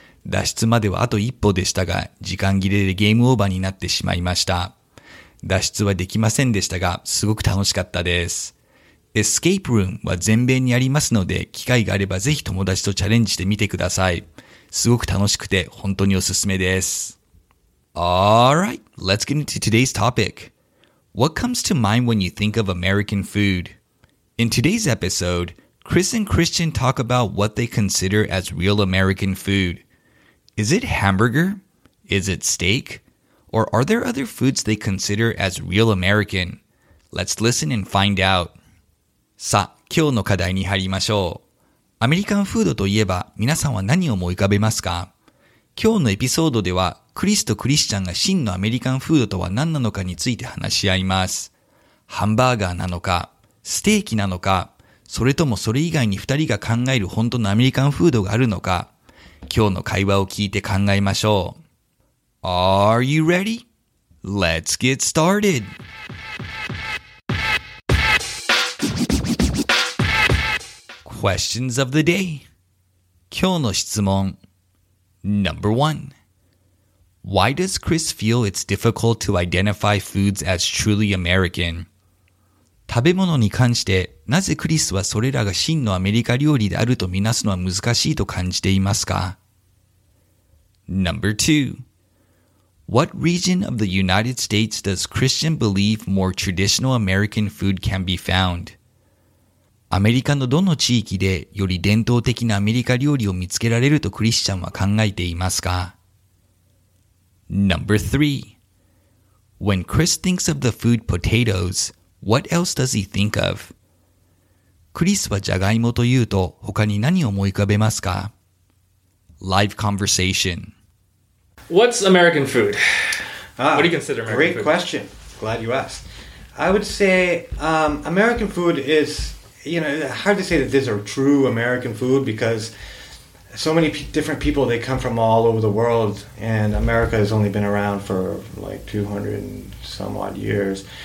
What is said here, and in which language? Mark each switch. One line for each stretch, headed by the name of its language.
Japanese: 脱出まではあと一歩でしたが、時間切れでゲームオーバーになってしまいました。脱出はできませんでしたが、すごく楽しかったです。 Escape Room は全米にありますので、機会があればぜひ友達とチャレンジしてみてください。すごく楽しくて本当におすすめです。
English: Alright, let's get into today's topic. What comes to mind when you think of American food? In today's episode, Chris and Christian talk about what they consider as real American food. Is it hamburger? Is it steak? Or are there other foods they consider as real American? Let's listen and find out.
Japanese: さあ、今日の課題に入りましょう。アメリカンフードといえば、皆さんは何を思い浮かべますか？今日のエピソードでは、クリスとクリスチャンが真のアメリカンフードとは何なのかについて話し合います。ハンバーガーなのか、ステーキなのか、それともそれ以外に二人が考える本当のアメリカンフードがあるのか、今日の会話を聞いて考えましょう。
English: Are you ready? Let's get started! Questions of the day.
Japanese: 今日の質問。
English: Number one. Why does Chris feel it's difficult to identify foods as truly American?
Japanese: 食べ物に関して、なぜクリスはそれらが真のアメリカ料理であるとみなすのは難しいと感じていますか?
English: Number two. What region of the United States does Christian believe more traditional American food can be found?
Japanese: アメリカのどの地域でより伝統的なアメリカ料理を見つけられるとクリスチャンは考えていますか
English: ?Number three. When Chris thinks of the food potatoes, what else does he think of?
Japanese: クリスはジャガイモというと他に何を思い浮かべますか
English: ?Live conversation. What's American food? What do you consider American food? Great question. Glad you asked. I would say, American food is... You know, hard to say that these are true American food because so many different people, they come from all over the world and America has only been around for like 200 and some odd years.